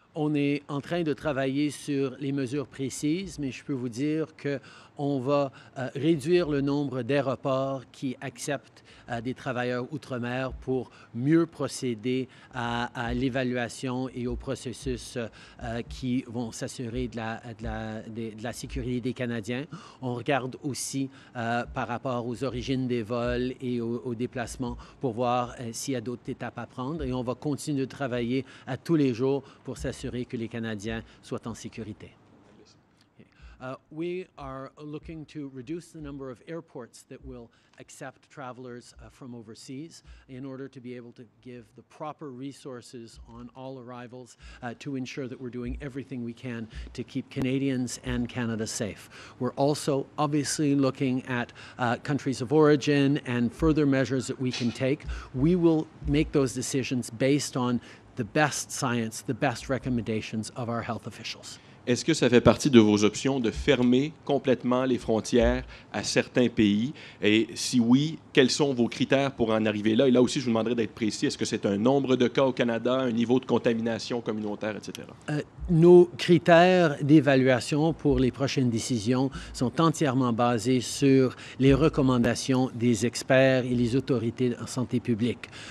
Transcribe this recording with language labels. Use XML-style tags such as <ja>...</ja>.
<fr>On est en train de travailler sur les mesures précises, mais je peux vous dire qu'on va réduire le nombre d'aéroports qui acceptent des travailleurs outre-mer pour mieux procéder à l'évaluation et au processus qui vont s'assurer de la sécurité des Canadiens. On regarde aussi par rapport aux origines des vols et aux déplacements pour voir s'il y a d'autres étapes à prendre. Et on va continuer de travailler à tous les jours pour s'assurer que les Canadiens soient en sécurité.</fr> <en>We are looking to reduce the number of airports that will accept travelers from overseas in order to be able to give the proper resources on all arrivals to ensure that we're doing everything we can to keep Canadians and Canada safe. We're also obviously looking at countries of origin and further measures that we can take. We will make those decisions based on the best science, the best recommendations of our health officials.</en> <fr>Est-ce que ça fait partie de vos options de fermer complètement les frontières à certains pays? Et si oui, quels sont vos critères pour en arriver là? Et là aussi, je vous demanderai d'être précis. Est-ce que c'est un nombre de cas au Canada, un niveau de contamination communautaire, etc.? Nos critères d'évaluation pour les prochaines décisions sont entièrement basés sur les recommandations des experts et les autorités en santé publique.</fr>